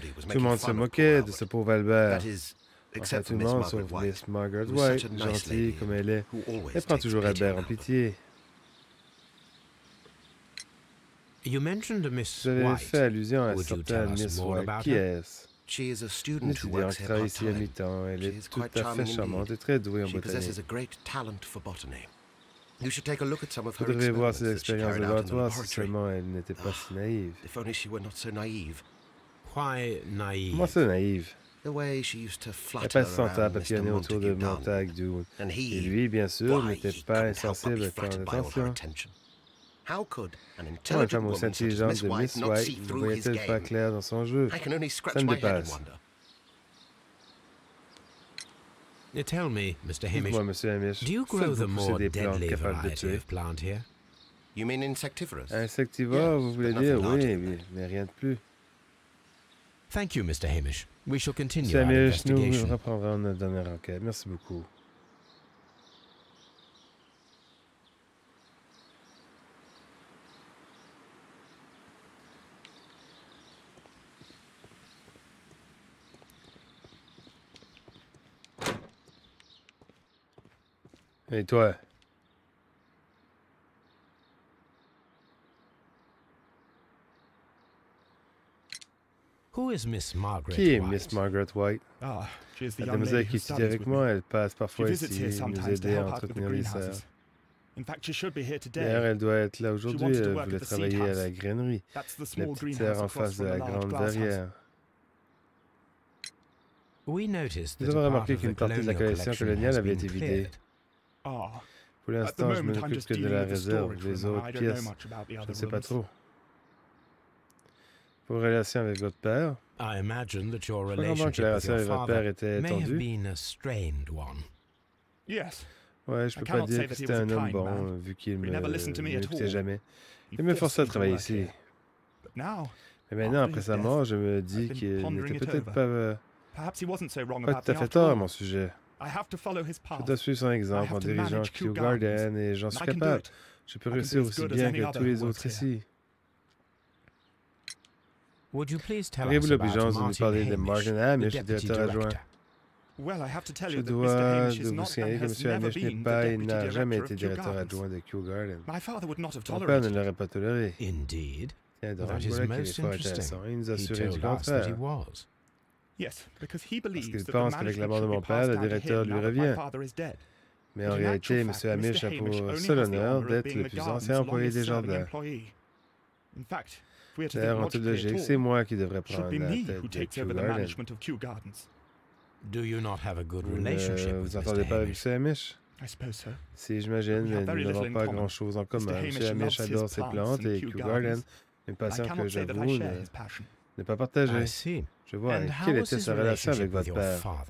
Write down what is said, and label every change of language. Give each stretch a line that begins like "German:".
French: Tout le monde se moquait de ce pauvre Albert.
English: Except for Miss Margaret White, who is such a nice lady, who always takes pity on Albert. You mentioned a Miss White. Would you tell us more about her? She is a student who works here part-time. She is quite charming indeed. She possesses a great talent for botany. You should take a look at some of her experiments that she carried out in the laboratory. If only she were not so naive. Why naive?
French: Comment ça naïve?
English: The way she used to flutter around Mr. Montague Dunn. And he, lui, bien sûr, why, he couldn't help but be flattered by all her attention. How could an intelligent woman such as Miss White not see through his game? I can only scratch my head and wonder.
French: Dans son jeu.
English: I can only scratch my head and wonder. Tell me, Mr. Hamish, do you grow the more deadly variety of plant here? You mean insectivorous?
French: Insectivore,
English: yes,
French: vous voulez dire, oui, mais rien de plus.
English: Thank you, Mr. Hamish. We shall continue our investigation.
French: Nous reprendrons notre dernière enquête. Merci beaucoup. Et toi?
English: Who is Miss Margaret
French: qui est Miss Margaret White?
English: Ah, she is the young lady who studies with me.
French: Elle passe parfois ici, nous aider à entretenir les serres.
English: She visits here sometimes to help out with the greenhouses. In fact, she should be here today.
French: D'ailleurs, elle doit être là aujourd'hui. Elle voulait travailler à la grainerie.
English: That's the small greenhouse
French: en face de la grande derrière.
English: We noticed that part of the colonial collection has been cleared.
French: Ah, pour l'instant, je m'occupe que de la réserve des autres pièces. Je ne sais pas trop. Vos relations avec votre père.
English: I imagine that your relationship with your father may have been a strained one. Yes.
French: Ouais, je peux pas dire que c'était un homme bon, vu qu'il ne m'écoutait jamais. Il me forçait à travailler ici. Mais maintenant, après sa mort, je me dis qu'il n'était peut-être pas tout à fait tort à mon sujet. Je dois suivre son exemple en dirigeant Kew Garden et j'en suis capable. Je peux réussir aussi bien que tous les autres ici.
English: Would you please tell us about Martin Hamish, the deputy director? Well, I have to tell you that Mr. Hamish has never been the deputy director of Kew Gardens. My father would not have tolerated it. Indeed, that is most interesting. He told us that he was. Yes, because he believes that the management should be passed down to him now that my father is dead. But in reality, Mr. Hamish has only the honor of being the guard's longest-serving employee. In fact,
French: d'ailleurs, en toute logique, c'est moi qui devrais prendre la tête de Kew Gardens.
English: Do you not have a good relationship with Mr. Hamish?
French: Si j'imagine, nous n'avons pas grand-chose en commun. M. Hamish adore ses plantes et Kew Gardens, une passion que j'avoue ne pas partager. Je vois. Et quelle était sa relation avec votre père?